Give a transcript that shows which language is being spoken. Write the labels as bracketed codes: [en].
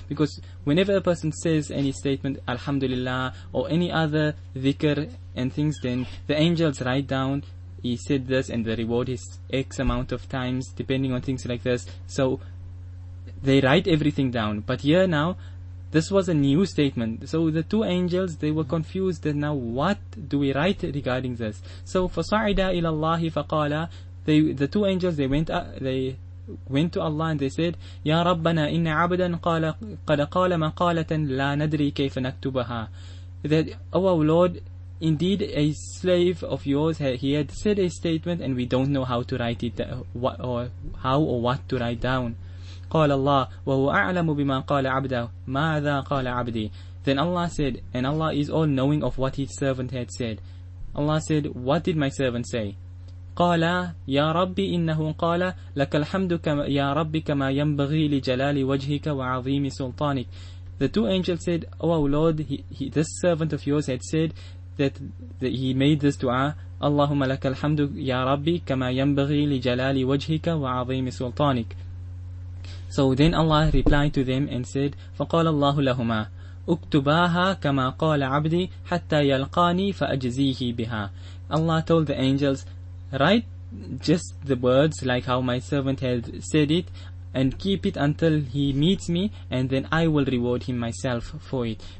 [en] Because whenever a person says any statement, Alhamdulillah, or any other dhikr and things, then the angels write down, he said this and the reward is X amount of times, depending on things like this. So they write everything down. But here now, this was a new statement. So the two angels, they were confused. That now, what do we write regarding this? [ar] So فَصَعِدَا إِلَى اللَّهِ فَقَالَ. [en] The two angels went to Allah and they said, [ar] يَا رَبَّنَا إِنَّ عَبْدًا قَدَ قَالَ مَقَالَةً لَا نَدْرِي كَيْفَ نَكْتُبَهَا. [en] That, oh, our Lord, indeed a slave of yours, he had said a statement and we don't know how to write it, what to write down. [ar] قال الله وهو أعلم بما قال عبده ماذا قال عبدي. [en] Then Allah said, and Allah is all knowing of what His servant had said. Allah said, what did my servant say? [ar] قال يا ربي إنه قال لك الحمد يا ربي كما ينبغي لجلال وجهك وعظيم سلطانك. [en] The two angels said, oh our Lord, this servant of yours had said that he made this dua. [ar] اللهم لك الحمد يا ربي كما ينبغي لجلال وجهك وعظيم سلطانك. [en] So then Allah replied to them and said, [ar] فَقَالَ اللَّهُ لَهُمَا أُكْتُبَاهَا كَمَا قَالَ عَبْدِي حَتَّى يَلْقَانِي فَأَجْزِيهِ بِهَا. [en] Allah told the angels, write just the words like how my servant has said it and keep it until he meets me, and then I will reward him myself for it.